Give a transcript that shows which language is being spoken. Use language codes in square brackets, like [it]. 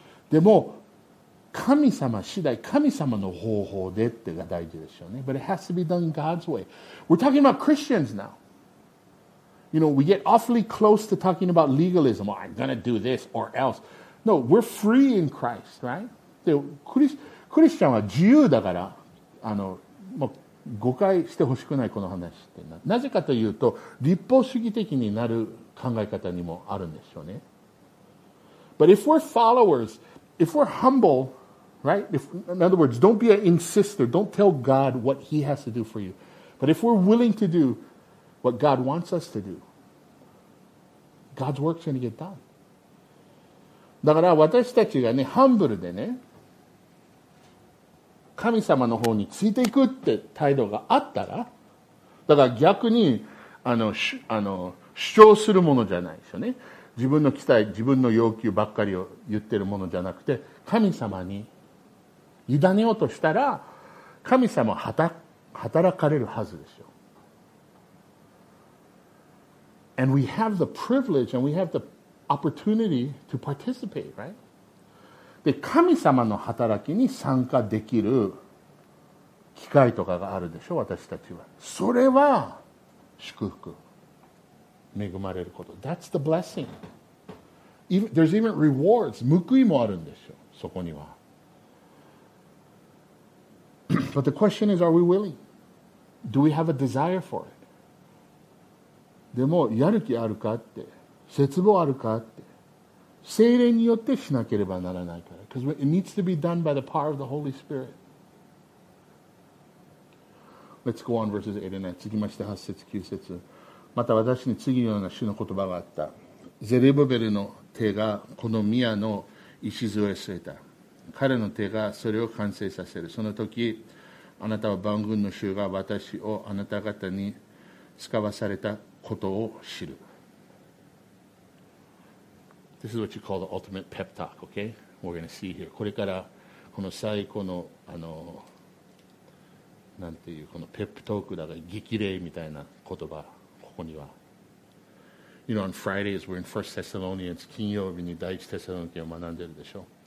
[ja] でも、神様次第、神様の方法でってが大事でしょうね。 [en] But it has to be done God's way. We're talking about Christians now. You know, we get awfully close to talking about legalism. Oh, I'm going to do this or else. No, we're free in Christ, right? [ja] で、クリスチャンは自由だから、もう、誤解してほしくないこの話ってな。なぜかというと、立法主義的になる考え方にもあるんでしょうね。 [en] But if we're followers, if we're humble, right? If, in other words, don't be an insister. Don't tell God what he has to do for you. But if we're willing to do what God wants us to do, God's work's going to get done. [ja] だから私たちがね、ハンブルでね、神様の方についていくって態度があったら、だから逆に主張するものじゃないですよね。自分の期待、自分の要求ばっかりを言ってるものじゃなくて、神様に委ねようとしたら、神様は働かれるはずですよ。 [en] And we have the privilege and we have the opportunity to participate, right? [ja] で、神様の働きに参加できる機会とかがあるでしょ、私たちは。それは祝福、恵まれること。 [en] That's the blessing. There's even rewards, [ja] 報いもあるんでしょ、そこには。 [en] But the question is, are we willing? Do we have a desire for it? [ja] でも、やる気あるかって、絶望あるかって。聖霊によってしなければならないから。 [en] Because it needs to be done by the power of the Holy Spirit. Let's go on verses 8 and 9. [ja] 続きまして8節9節。また私に次のような主の言葉があった。ゼレブベルの手がこの宮の礎を据えた。彼の手がそれを完成させる。その時、あなたは万軍の主が私をあなた方に使わされたことを知る。 [en] This is what you call the ultimate pep talk, okay? We're going to see here. [ja] これからこの最後のあのなんていうこのペップトークだが激励みたいな言葉ここには。 [en] You know, on Fridays we're in 1 Thessalonians. [ja] 金曜日に第一テサロニケを学んでるでしょ。